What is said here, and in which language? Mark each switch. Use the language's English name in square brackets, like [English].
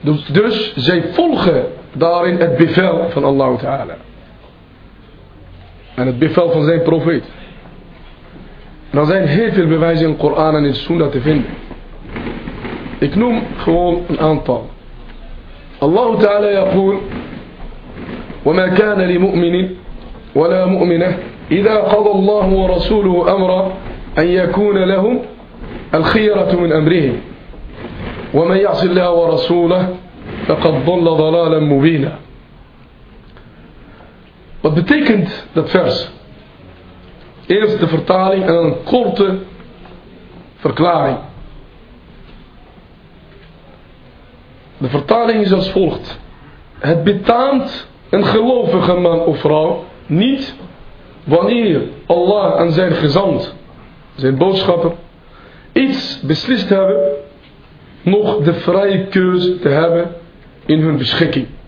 [Dutch] Dus zij volgen daarin het bevel van Allah Ta'ala. En het bevel van zijn profeet. En er zijn heel veel bewijzen in de Koran en in de Sunna te vinden. Ik noem gewoon een aantal. [Arabic] Allah Ta'ala yaqul: وما كان لمؤمن ولا مؤمنة إذا قضى الله ورسوله أمرا أن يكون لهم الخيرة من أمرهم ومن يعص الله ورسوله فقد ضل ضلالا مبينا. [Dutch] Wat betekent dat vers? Eerst de vertaling en dan een korte verklaring. De vertaling is als volgt: het betaamt een gelovige man of vrouw niet wanneer Allah en zijn gezant, zijn boodschapper, iets beslist hebben, nog de vrije keuze te hebben in hun beschikking.